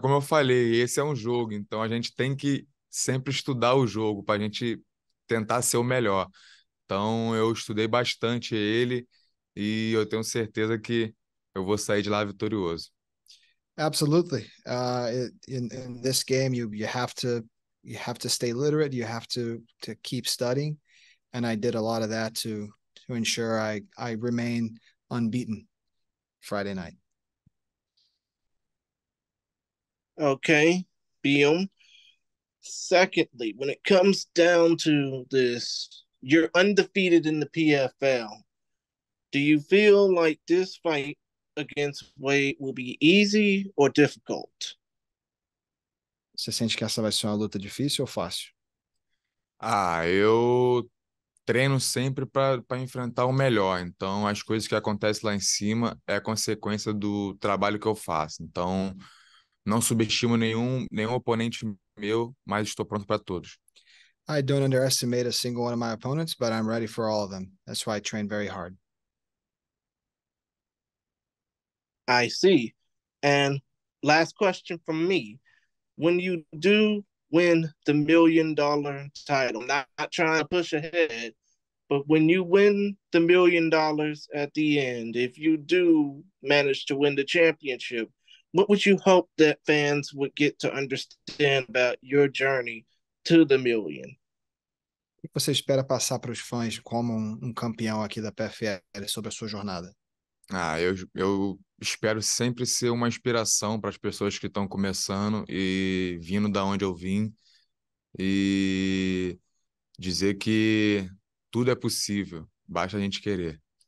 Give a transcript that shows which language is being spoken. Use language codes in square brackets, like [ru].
[pt] Como eu falei, esse é um jogo, então a gente tem que sempre estudar o jogo para a gente tentar ser o melhor. Então eu estudei bastante ele e eu tenho certeza que eu vou sair de lá vitorioso. [en] Absolutely. In this game, you have to stay literate. You have to keep studying, and I did a lot of that to ensure I remain unbeaten Friday night. Okay, Beam. Secondly, when it comes down to this, you're undefeated in the PFL. Do you feel like this fight against Wade will be easy or difficult? [pt] Você sente que essa vai ser uma luta difícil ou fácil? Ah, eu treino sempre para enfrentar o melhor. Então, as coisas que acontecem lá em cima é consequência do trabalho que eu faço. Então, não subestimo nenhum oponente meu, mas estou pronto para todos. [en] I don't underestimate a single one of my opponents, but I'm ready for all of them. That's why I train very hard. I see. And last question from me. When you do win the $1 million title, not trying to push ahead, but when you win the $1 million at the end, if you do manage to win the championship, what would you hope that fans would get to understand about your journey to the million? [pt] O que você espera passar para os fãs como um campeão aqui da PFL sobre a sua jornada? Ah, eu espero sempre ser uma inspiração para as pessoas que estão começando e vindo da onde eu vim e dizer que tudo é possível, basta a gente querer.